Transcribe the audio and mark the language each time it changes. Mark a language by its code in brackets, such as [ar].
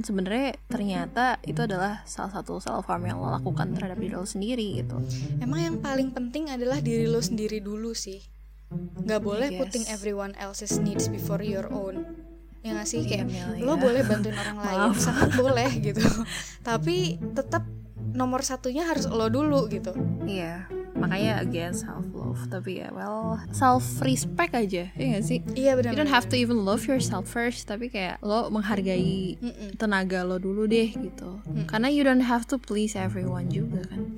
[id] Sebenarnya ternyata itu adalah salah satu self-harm yang lo lakukan terhadap diri lo sendiri gitu. Emang yang paling penting adalah diri lo sendiri dulu sih. Gak boleh [en] putting everyone else's needs before your own. [id] Ya gak sih? Kayak lo boleh bantuin orang lain, sangat boleh gitu. Tapi tetap nomor satunya harus lo dulu gitu. Iya, makanya [en] against self-love. [id] self, tapi ya well, self respect aja, iya gak sih? Iya benar. [en] You don't have to even love yourself first, [id] tapi kayak lo menghargai tenaga lo dulu deh gitu. Karena [en] you don't have to please everyone [id] juga kan.